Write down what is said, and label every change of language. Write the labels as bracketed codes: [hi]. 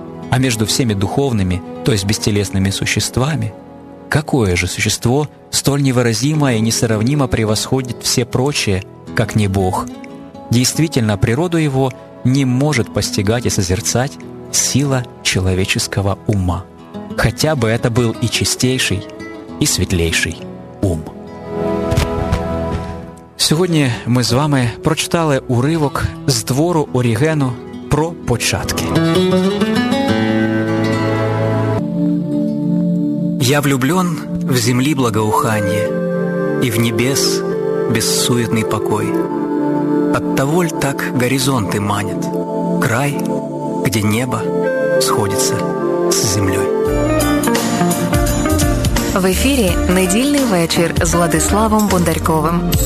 [ru] А между всеми духовными, то есть бестелесными существами, какое же существо столь невыразимое и несравнимо превосходит все прочие, как не Бог? Действительно, природу его не может постигать и созерцать сила человеческого ума. Хотя бы это был и чистейший, и светлейший ум. [uk] Сегодня мы с вами прочитали урывок з твору Орігена «Про початки». [ru] Я влюблен в земли благоуханье и в небес бессуетный покой. Оттого ль так горизонты манят, край, где небо сходится с землей. [uk] В ефірі «Недільний вечір» з Владиславом Бондарьковим.